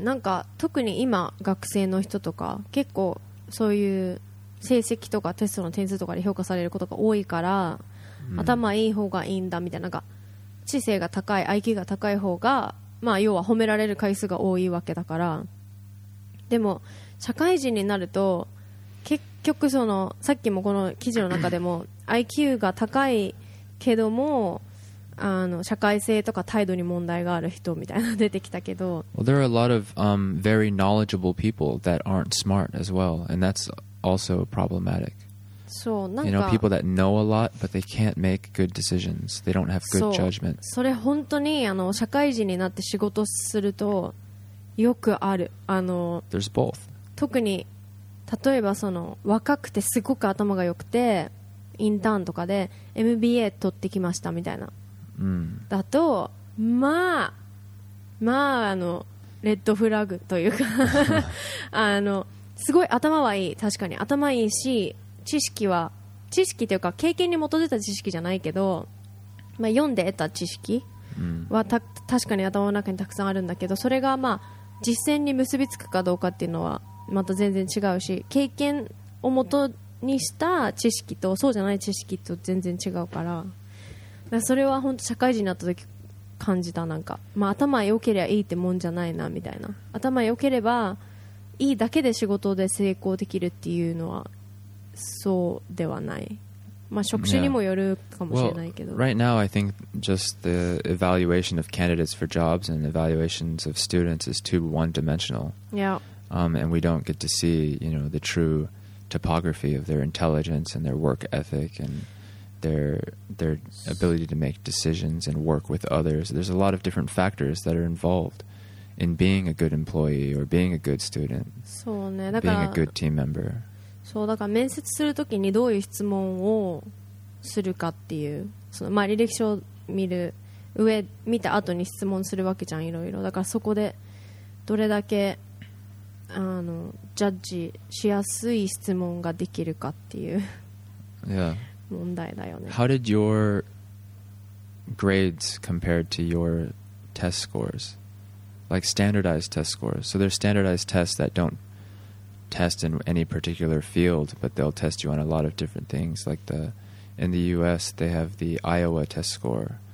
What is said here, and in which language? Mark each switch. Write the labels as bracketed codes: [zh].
[ja] なんか特に今学生の人とか結構そういう成績とかテストの点数とかで評価されることが多いから、頭いい方がいいんだみたいな、なんか知性が高い、 IQ が高い方が、まあ要は褒められる回数が多いわけだから。でも社会人になると、結局そのさっきもこの記事の中でもIQ が高いけども、あの社会性とか態度に問題がある人みたいな出てきたけど、 [en] Well, there are a lot of very knowledgeable people that aren't smart as well, and that'sAlso problematic. [ja] そう、なんか、 [en] you know, people that know a lot, but they can't make good decisions. They don't have good judgment. [ja] そう、それ本当に、あの、社会人になって仕事するとよくある。あの、 [en] There's both. [ja] 特に、例えばその、若くてすごく頭が良くて、インターンとかで MBA 取ってきましたみたいな。だと、まあ、まあ、あの、レッドフラグというか、あの、すごい頭はいい、確かに頭いいし、知識は、知識というか経験に基づいた知識じゃないけど、まあ、読んで得た知識は確かに頭の中にたくさんあるんだけど、それがまあ実践に結びつくかどうかっていうのはまた全然違うし、経験をもとにした知識とそうじゃない知識と全然違うから、それは本当社会人になった時感じた。なんか、まあ、頭良ければいいってもんじゃないなみたいな、頭良ければいいだけで仕事で成功できるっていうのはそうではない。まあ、職種にもよるかもしれないけど、 [en] well, right now I think just the evaluation of candidates for jobs and evaluations of students is too one dimensional. Yeah. And we don't get to see, you know, the true topography of their intelligence and their work ethic andTheir ability to make decisions and work with others. There's a lot of different factors that are involved in being a good employee or being a good student. [ja] そうね。 [en] だから、being a good team member. [ja] そう、だから面接するときにどういう質問をするかっていう、その、まあ、履歴書を見る上、見た後に質問するわけじゃん、いろいろ。だからそこでどれだけあのジャッジしやすい質問ができるかっていう。 [en] Yeah. [ja] 問題だよね。 [en] How did your grades compare to your test scores? Like standardized test scores. So there's standardized tests that don't test in any particular field, but they'll test you on a lot of different things. Like the, in the US, they have the Iowa test score.